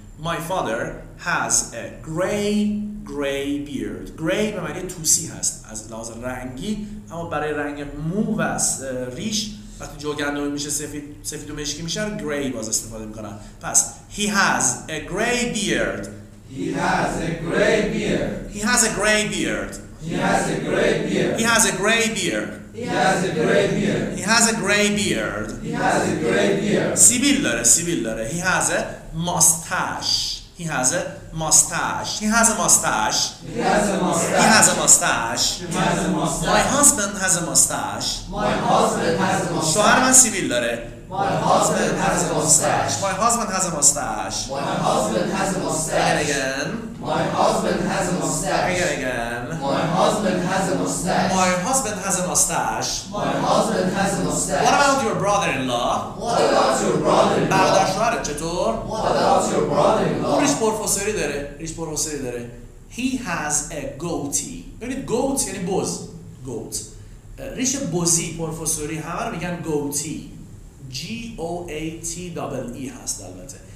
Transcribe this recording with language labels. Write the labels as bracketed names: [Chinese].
[English] My father has a gray beard. [Persian] Gray به معنی توسی هست از لحاظ رنگی، اما برای رنگ مو و ریش وقتی جوگندمی میشه سفید و مشکی میشه gray باز استفاده میکنن. [English] پس he has a gray beard. He has a gray beard. He has a gray beard. He has a gray beard. He has a gray beard. He has a gray beard. He has a gray beard. He has a gray beard. [Persian] سیبیل داره. [English] He has a mustache. He has a He has a mustache. He has a mustache. He has a mustache. He has a mustache. He has a mustache. My husband has a mustache. My husband has a mustache. [Persian] شوهر من سیبیل داره. [English] My husband has a mustache. My husband has a mustache. My husband has a mustache. And again. My husband has a mustache. Again, again. My husband has a mustache. My husband has a mustache. My husband has a mustache. What about your brother-in-law? What about your brother-in-law? [Persian] برادر شوهرت چطور؟ [English] What about your brother-in-law? [Persian] ریش پرفسوری داره. ریش پرفسوری داره. [English] He has a goatee. [Persian] ببینید goat یعنی بز. [English] Goat. [Persian] ریش بزی پرفسوری همه رو میگن goatee. G-O-A-T-E-E هست البته.